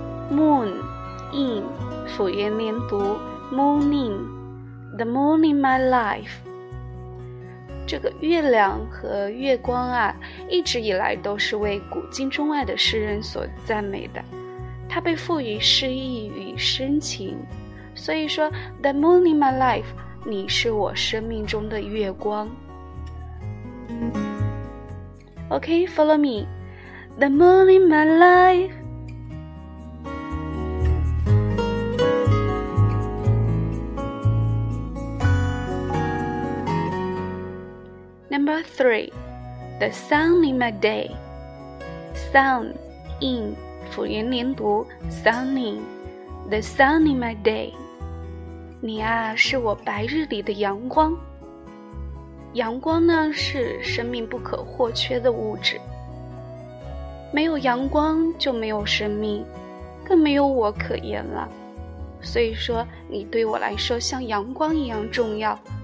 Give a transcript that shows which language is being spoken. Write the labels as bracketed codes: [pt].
[en] Moon, in, 辅元连读 morning, the moon in my life. [zh] 这个月亮和月光啊，一直以来都是为古今中外的诗人所赞美的。它被赋予诗意与深情。所以说 [en] the moon in my life, [zh] 你是我生命中的月光。 [en] Okay, follow me. The moon in my life. Number three, the sun in my day. Sun, in, 辅元连读 sunning, the sun in my day. [zh] 你啊，是我白日里的阳光。阳光呢，是生命不可或缺的物质。没有阳光就没有生命，更没有我可言了。所以说，你对我来说像阳光一样重要。